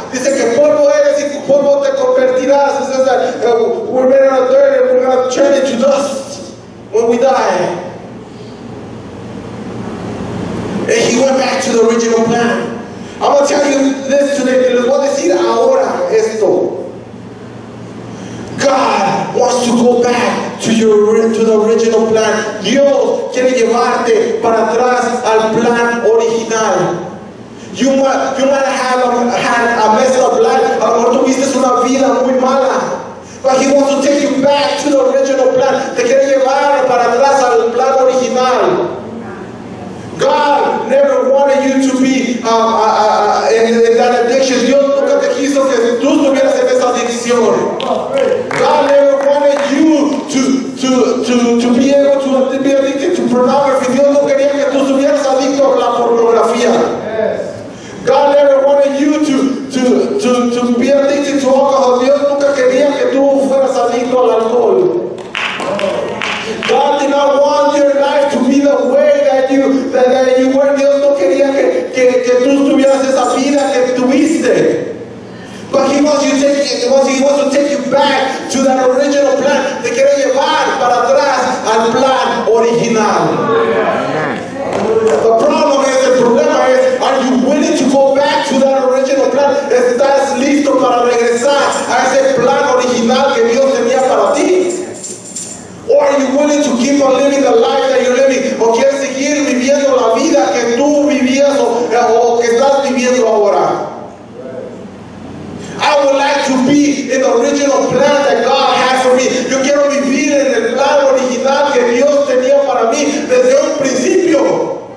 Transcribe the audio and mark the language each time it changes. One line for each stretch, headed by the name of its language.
Spanish: Dice que polvo eres y polvo te convertirás.
English: It says that we're made out of dirt and we're going to turn into dust when we die. And he went back to the original plan. I'm going to tell you this today.
Spanish: Les voy a decir ahora esto.
English: God wants to go back to your to the original plan.
Spanish: Dios quiere llevarte para atrás al plan original.
English: You might have had a messed up life.
Spanish: A lo mejor tuviste una vida muy mala.
English: But he wants to take you back to the original plan.
Spanish: Te quiere llevar para atrás al plan original.
English: God never wanted you to be in that addiction.
Spanish: Dios nunca te quiso que tú estuvieras en esa adicción.
English: God never wanted you to be able to be addicted to pornography.
Spanish: Dios no quería que tú estuvieras adicto a la pornografía.
English: God never wanted you to be addicted to alcohol.
Spanish: Dios nunca quería que tú fueras adicto al alcohol.
English: God did not want your life to be the way that you were.
Spanish: Dios no quería que tú tuvieras esa vida que tuviste.
English: But he wants to take you back to that original plan.
Spanish: Te quiere llevar para atrás al plan original.
English: The problem is,
Spanish: the problema es,
English: are you willing to go back to that original plan?
Spanish: ¿Estás listo para regresar a ese plan original que Dios tenía para ti?
English: Or are you willing to keep on living the life that you're living?
Spanish: ¿O quieres seguir viviendo la vida que tú vivías o que estás viviendo ahora?
English: I would like to be in the original plan that God has for me.
Spanish: Yo quiero vivir en el plan original que Dios tenía para mí desde un principio.